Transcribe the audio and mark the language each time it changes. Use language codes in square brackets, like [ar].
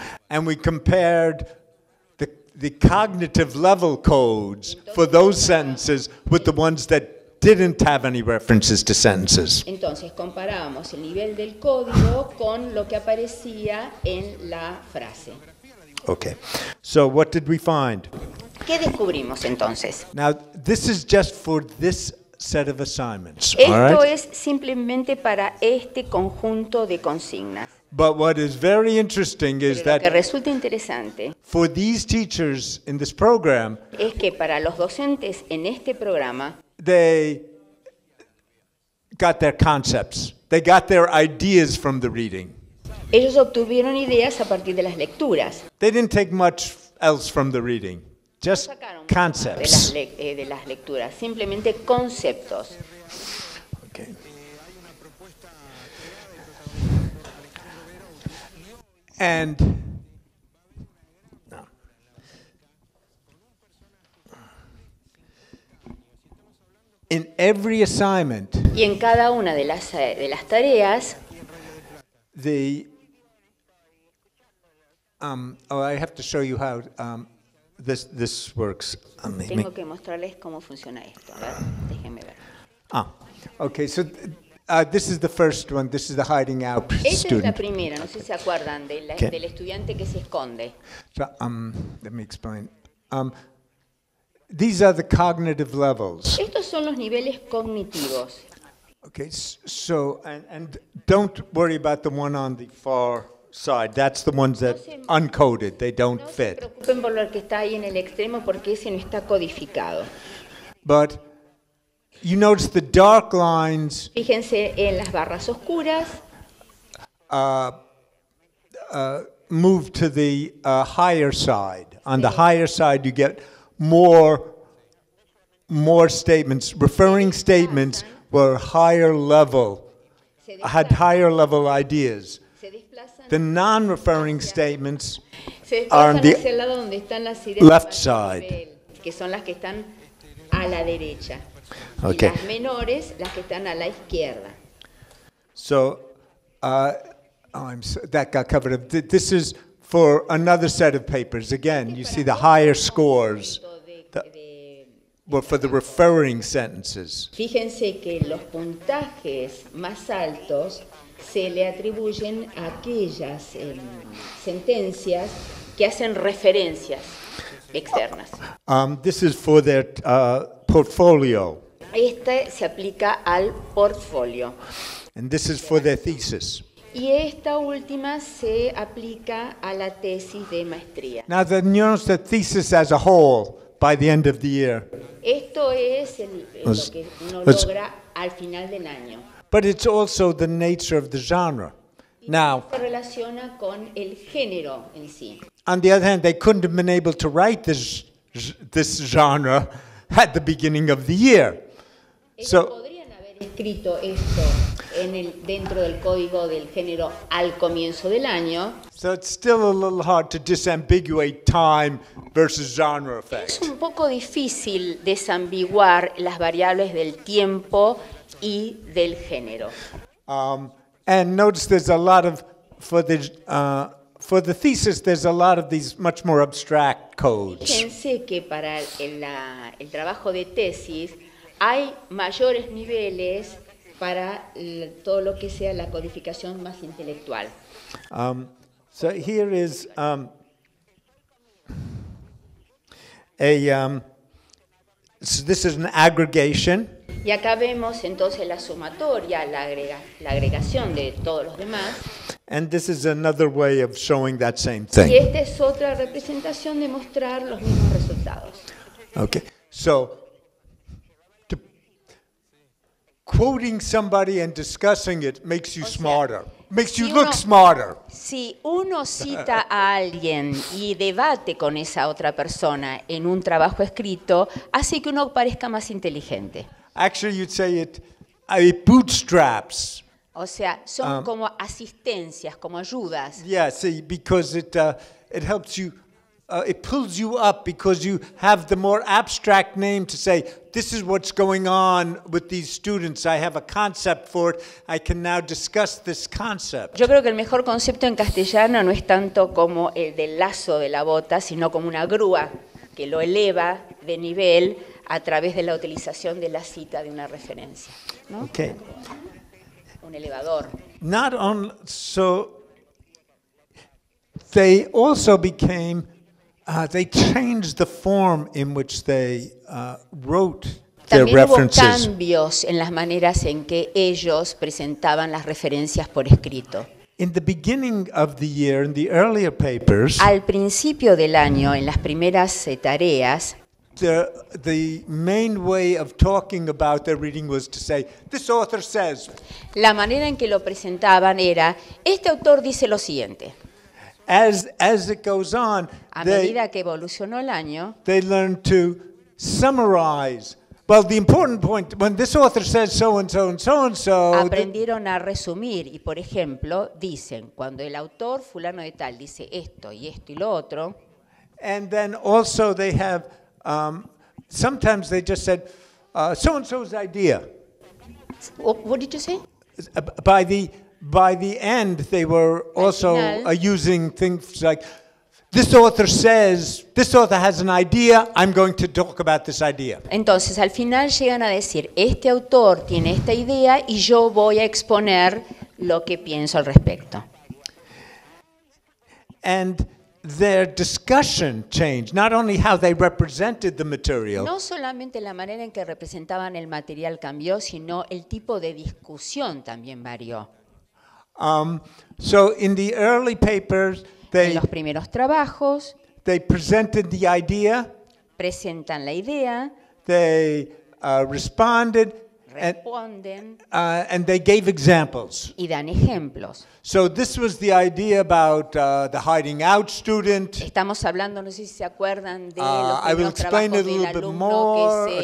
[en] And we compared the cognitive level codes for those sentences with the ones that didn't have any references to sentences. [es] Entonces comparábamos el nivel del código con lo que aparecía en la frase. [en] Okay. So what did we find? [es] ¿Qué descubrimos entonces? [en] Now, this is just for this set of assignments. [es] Esto [en] all right? [es] Es simplemente para este conjunto de consignas. [en] But what is very interesting is that [es] que resulta interesante [en] for these teachers in this program [es] es que para los docentes en este programa [en] they got their concepts. They got their ideas from the reading. [es] Ellos obtuvieron ideas a partir de las lecturas. [en] They didn't take much else from the reading. Just concepts. [es] De las lecturas, simplemente conceptos. [en] Okay. And in every assignment, [es] y en cada una de las tareas, [en] the I have to show you how this works. [es] Tengo que mostrarles cómo funciona esto. Déjenme ver. [en] Ah, okay. So this is the first one. This is the hiding out student. [es] Esta es la primera. No sé si se acuerdan del estudiante que se esconde. [en] So let me explain. These are the cognitive levels. [es] Estos son los niveles cognitivos. [en] Okay, so and don't worry about the one on the far side. That's the ones that uncoded. They don't fit. [es] No se preocupen por lo que está ahí en el extremo porque ese no está codificado. [en] But you notice the dark lines. [es] Fíjense en las barras oscuras. [en] Move to the higher side. On the higher side, you get more statements, referring statements. Were higher level, had higher level ideas. The non-referring statements are on the left side. [es] Que son las que están a la derecha. [en] Okay. [es] Y las menores, las que están a la izquierda. [en] So, that got covered. This is for another set of papers. Again, you see the higher scores. Well, for the referring sentences. [es] Fíjense que los puntajes más altos se le atribuyen a aquellas sentencias que hacen referencias externas. [en] This is for their portfolio. [es] Este se aplica al portfolio. [en] And this is for their thesis. [es] Y esta última se aplica a la tesis de maestría. [en] Now, the neurons, the thesis as a whole. By the end of the year. [es] Esto es lo que uno logra al final del año. [en] But it's also the nature of the genre. Now, [es] se relaciona con el género en sí. [en] On the other hand, they couldn't have been able to write this genre at the beginning of the year. [es] So, podrían haber escrito esto dentro del código del género al comienzo del año. [en] So it's still a little hard to disambiguate time versus genre effect. [es] Es un poco difícil desambiguar las variables del tiempo y del género. [en] And notice there's a lot of for the thesis there's a lot of these much more abstract codes. [es] Fíjense que para el trabajo de tesis hay mayores niveles para todo lo que sea la codificación más intelectual. [en] So here is so this is an aggregation. [es] Y acá vemos entonces la sumatoria, la agregación de todos los demás. [en] And this is another way of showing that same thing. [es] Y esta es otra representación de mostrar los mismos resultados. [en] Okay. So quoting somebody and discussing it makes you smarter. Makes you look smarter. [es] Si uno cita a alguien y debate con esa otra persona en un trabajo escrito, hace que uno parezca más inteligente. [en] Actually, you'd say it bootstraps. [es] O sea, son como asistencias, como ayudas. [en] Yeah, see, because it helps you, it pulls you up because you have the more abstract name to say, this is what's going on with these students. I have a concept for it. I can now discuss this concept. [es] Yo creo que el mejor concepto en castellano no es tanto como el del lazo de la bota, sino como una grúa que lo eleva de nivel a través de la utilización de la cita de una referencia, ¿no? [en] Okay. [es] Un elevador. [en] Not only so they also became they changed the form in which they wrote their references. [es] También hubo cambios en las maneras en que ellos presentaban las referencias por escrito. [en] In the beginning of the year, in the earlier papers, [es] al principio del año, en las primeras tareas, [en] the main way of talking about their reading was to say, this author says. [es] La manera en que lo presentaban era, este autor dice lo siguiente. [en] As it goes on, [es] a medida que evolucionó el año, [en] they learn to summarize. Well, the important point when this author says so and so and so and so. [es] Aprendieron a resumir y, por ejemplo, dicen cuando el autor fulano de tal dice esto y esto y lo otro. [en] And then also they have sometimes they just said so and so's idea. What did you say? By the end, they were also using things like, this author says, this author has an idea, I'm going to talk about this idea. [es] Entonces, al final llegan a decir, este autor tiene esta idea y yo voy a exponer lo que pienso al respecto. [en] And their discussion changed, not only how they represented the material. [es] No solamente la manera en que representaban el material cambió, sino el tipo de discusión también varió. [en] So in the early papers, [es] en los primeros trabajos, [en] they presented the idea, [es] presentan la idea, [en] they responded, [es] responden, [en] and they gave examples. [es] Y dan ejemplos. [en] So this was the idea about the hiding out student. [es] Estamos hablando, no sé si se acuerdan de los primeros trabajos del alumno que se esconde.